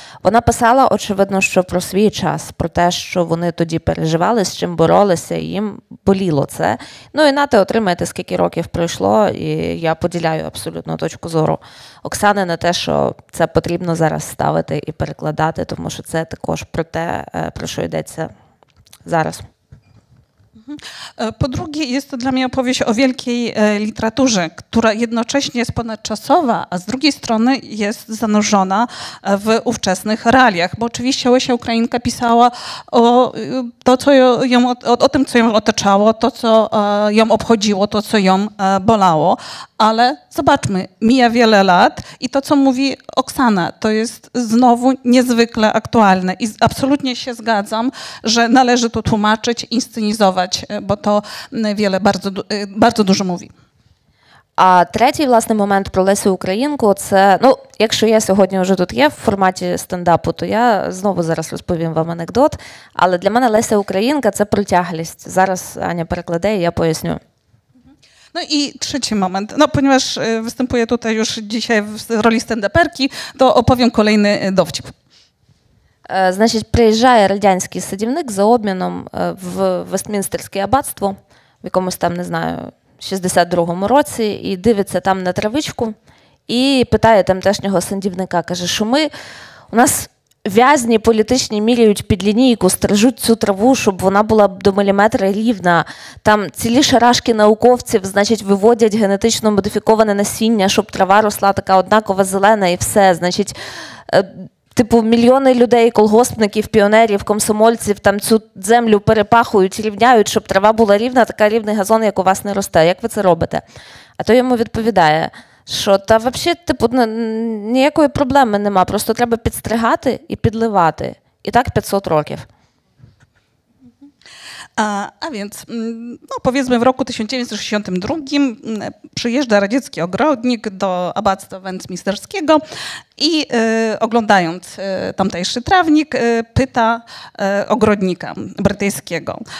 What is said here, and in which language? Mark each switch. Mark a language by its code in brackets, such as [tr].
[uk] Вона писала, очевидно, що про свій час, про те, що вони тоді переживали, з чим боролися, і їм боліло це. Ну і нате, отримайте, скільки років пройшло, і я поділяю абсолютно точку зору Оксани на те, що це потрібно зараз ставити і перекладати, тому що це також про те, про що йдеться зараз. [pl] Po drugie, jest to dla mnie opowieść o wielkiej literaturze, która jednocześnie jest ponadczasowa, a z drugiej strony jest zanurzona w ówczesnych realiach, bo oczywiście Łysia Ukrainka pisała o, to, co ją, o tym, co ją otaczało, to, co ją obchodziło, to, co ją bolało, ale zobaczmy, mija wiele lat i to, co mówi Oksana, to jest znowu niezwykle aktualne i absolutnie się zgadzam, że należy to tłumaczyć, inscenizować, бо то wiele bardzo, bardzo dużo mówi. [uk] А третій, власне, момент про Лесю Українку, це, ну, якщо я сьогодні вже тут є в форматі стендапу, то я знову зараз розповім вам анекдот, але для мене Леся Українка – це протяглість. Зараз Аня перекладе, і я поясню. [pl] No i trzeci moment. No ponieważ występuję tutaj już dzisiaj w roli stand-uperki, to opowiem kolejny dowcip. [uk] Значить, приїжджає радянський садівник за обміном в Вестмінстерське аббатство в якомусь там, не знаю, 62-му році, і дивиться там на травичку і питає тамтешнього садівника, каже, що ми, у нас в'язні політичні міряють під лінійку, стрижуть цю траву, щоб вона була до міліметра рівна, там цілі шарашки науковців, значить, виводять генетично модифіковане насіння, щоб трава росла така однакова зелена і все, значить, типу, мільйони людей, колгоспників, піонерів, комсомольців там цю землю перепахують, рівняють, щоб трава була рівна, така рівний газон, як у вас не росте. Як ви це робите? А то йому відповідає, що та взагалі, типу, ніякої проблеми нема, просто треба підстригати і підливати. І так 500 років. [pl] A więc, no powiedzmy, w roku 1962 przyjeżdża radziecki ogrodnik do abactwa Wendsmisterskiego i oglądając tamtejszy trawnik, pyta ogrodnika brytyjskiego.